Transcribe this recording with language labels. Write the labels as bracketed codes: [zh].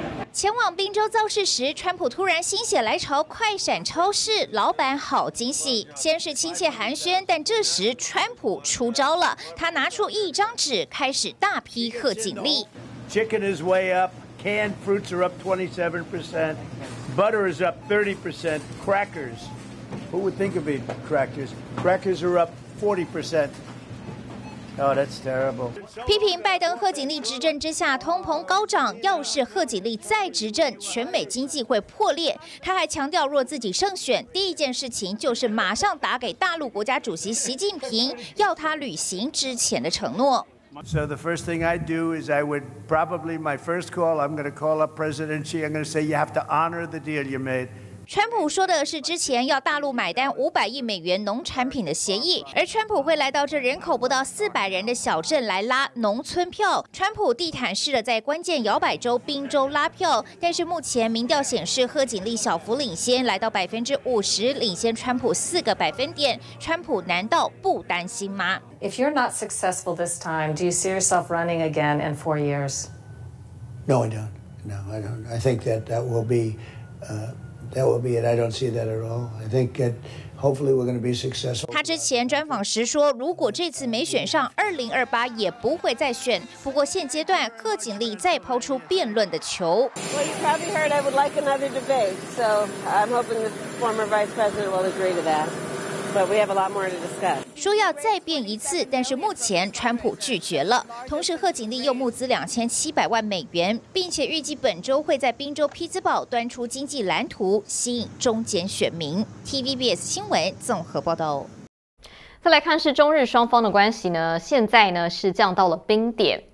[zh] 前往宾州造势时，川普突然心血来潮，快闪超市，老板好惊喜，先是亲切寒暄，但这时川普出招了，他拿出一张纸开始大批贺锦丽。 [en] Chicken is way up. Canned fruits are up 27%, butter is up 30%, crackers, who would think of eating crackers? Crackers are up 40%. Oh, that's terrible. [zh] 批评拜登贺锦丽执政之下通膨高涨，要是贺锦丽再执政，全美经济会破裂。他还强调，若自己胜选，第一件事情就是马上打给大陆国家主席习近平，要他履行之前的承诺。 [en] So the first thing I do is I would probably my first call, I'm going to call up President Xi, I'm going to say you have to honor the deal you made. [zh] 川普说的是之前要大陆买单500亿美元农产品的协议，而川普会来到这人口不到400人的小镇来拉农村票。川普地毯式的在关键摇摆州宾州拉票，但是目前民调显示贺锦丽小幅领先，来到50%，领先川普4个百分点。川普难道不担心吗 [en] ？If you're not successful this time, do you see yourself running again in 4 years? No, I don't. No, I don't. I think that will be. That will be it. I don't see that at all. I think that hopefully we're going to be successful. [zh] 他之前专访时说，如果这次没选上，2028也不会再选。不过现阶段，贺锦丽再抛出辩论的球。 [en] Well, you probably heard I would like another debate, so I'm hoping the former vice president will agree to that. But we have a lot more to discuss. [zh] 说要再辩一次，但是目前川普拒绝了。同时，贺锦丽又募资2700万美元，并且预计本周会在宾州匹兹堡端出经济蓝图，吸引中间选民。 TVBS 新闻综合报道。再来看是中日双方的关系呢，现在呢是降到了冰点。